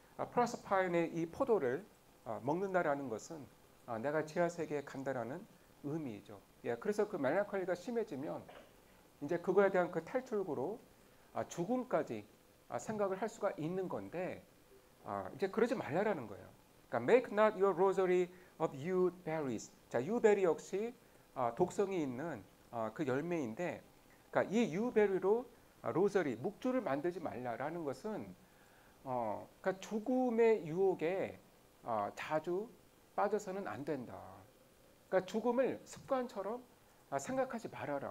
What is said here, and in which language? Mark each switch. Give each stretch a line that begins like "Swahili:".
Korean: 프로서파인의 이 포도를 먹는다라는 것은 내가 지하 세계에 간다라는 의미이죠. 예, 그래서 그 멜랑콜리가 심해지면 이제 그거에 대한 그 탈출구로 죽음까지 생각을 할 수가 있는 건데 이제 그러지 말라라는 거예요. 그러니까
English: make not your rosary of yew berries.
Korean: 자, 유베리 역시 독성이 있는 그 열매인데, 그러니까 이 유베리로 로저리 묵주를 만들지 말라라는 것은 그러니까 죽음의 유혹에 자주 빠져서는 안 된다. 그러니까 죽음을 습관처럼 생각하지 말아라.